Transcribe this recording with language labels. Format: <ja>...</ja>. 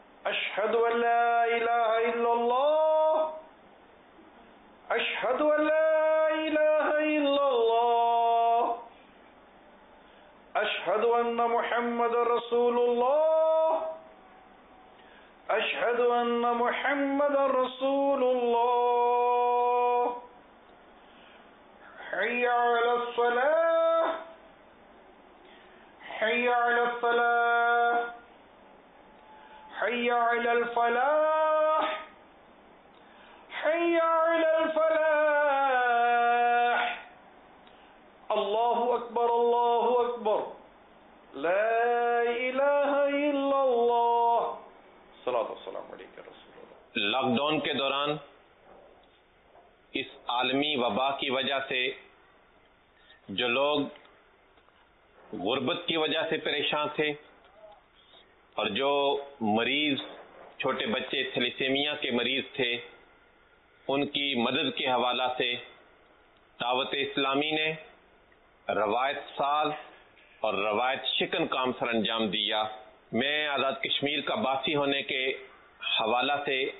<ar>اشہد ان لا الہ الا اللہ، اشہد ان لا الہ الا اللہ، اشہد ان محمد رسول اللہ، اشہد ان محمد رسول اللہ. حی علی الصلاۃ، حي على الصلاة، حي على الفلاح، حي على الفلاح. الله أكبر الله أكبر، لا إله إلا الله. صلاة والسلام عليك يا رسول الله.</ar> <ur>لاک ڈاؤن کے دوران اس عالمی وبا کی وجہ سے جو لوگ غربت کی وجہ سے پریشان تھے اور جو مریض چھوٹے بچے تھلیسیمیا کے مریض تھے ان کی مدد کے حوالہ سے دعوت اسلامی نے روایت ساز اور روایت شکن کام سر انجام دیا۔ میں آزاد کشمیر کا باسی ہونے کے حوالہ سے</ur>